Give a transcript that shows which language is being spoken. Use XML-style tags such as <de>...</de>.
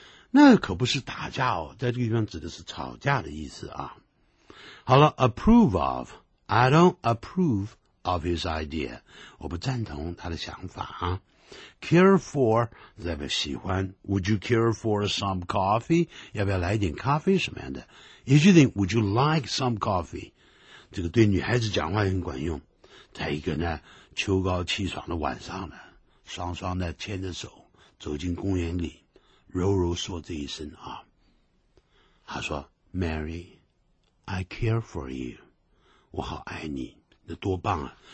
<zh>那可不是打架哦，在这个地方指的是吵架的意思啊。好了</zh> <en>,approve of, I don't approve of his idea,</en> <zh>我不赞同他的想法啊。</zh> <en>Care for,</en> <zh>代表喜欢。</zh> <en>Would you care for some coffee?</en> <zh>要不要来一点咖啡什么样的。</zh> <en>If you think, would you like some coffee?</en> <zh>这个对女孩子讲话很管用。再一个呢，秋高气爽的晚上呢，双双的牵着手走进公园里，柔柔说这一声啊，他说 Mary,</zh> <en>I care for you,</en> <zh>我好爱你，那多棒啊。</zh>